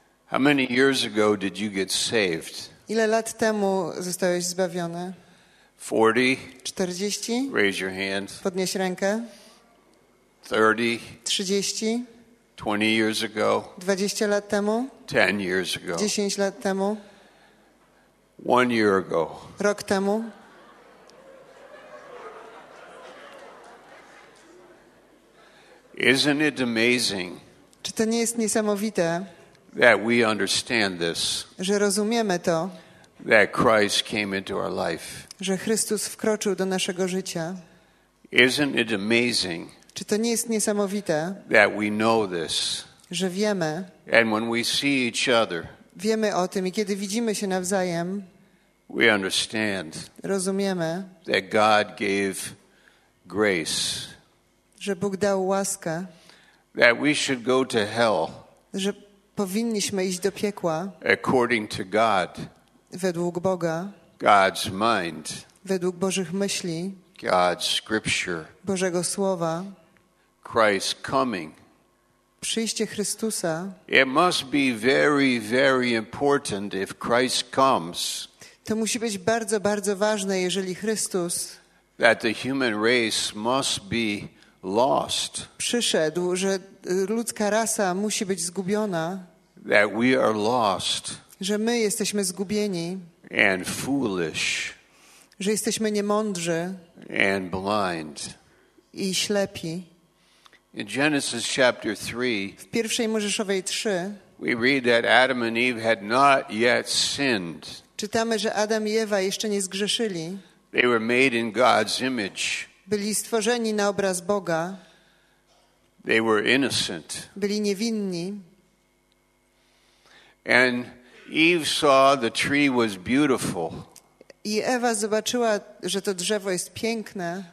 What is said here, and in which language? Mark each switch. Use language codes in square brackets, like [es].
[en] How many years ago did you get saved? [pl] Ile lat temu zostałeś zbawiony? [en] 40. [pl] 40. [en] Raise your hand. [pl] Podnieś rękę. [en] 30. [pl] 30. [en] 20 years ago. [pl] 20 lat temu. [en] 10 years ago. [pl] 10 lat temu. [en] 1 year ago. [pl] Rok temu. [en] Isn't it amazing? [pl] Czy to nie jest niesamowite? [en] That we understand this. [pl] Że rozumiemy to. [en] That Christ came into our life. [pl] Że Chrystus wkroczył do naszego życia. [en] Isn't it amazing? [pl] Czy to nie jest niesamowite? [en] That we know this. [pl] Że wiemy. [en] And when we see each other. [pl] Wiemy o tym i kiedy widzimy się nawzajem. [en] We understand. [pl] Rozumiemy. [en] That God gave grace. [pl] Że Bóg dał łaskę. [en] That we should go to hell. [pl] Że powinniśmy iść do piekła. [en] According to God. [pl] Według Boga. [en] God's mind. [pl] Według Bożych myśli. [en] God's scripture. [pl] Bożego słowa. [en] Christ coming. [pl] Przyjście Chrystusa. [en] It must be very, very important if Christ comes. [pl] To musi być bardzo, bardzo ważne, jeżeli Chrystus. [en] That the human race must be lost. [pl] Przyszedł, że ludzka rasa musi być zgubiona. [en] That we are lost. [pl] Że my jesteśmy zgubieni. [en] And foolish. [pl] Że jesteśmy niemądrzy. [en] And blind. [pl] I ślepi. [en] In Genesis chapter 3. [pl] W pierwszej Mojżeszowej 3. [en] We read that Adam and Eve had not yet sinned. [pl] Czytamy, że Adam i Ewa jeszcze nie zgrzeszyli. [en] They were made in God's image. [pl] Byli stworzeni na obraz Boga. [en] They were innocent. [pl] Byli niewinni. [en] And Eve saw the tree was beautiful. [pl] I Ewa zobaczyła, że to drzewo jest piękne.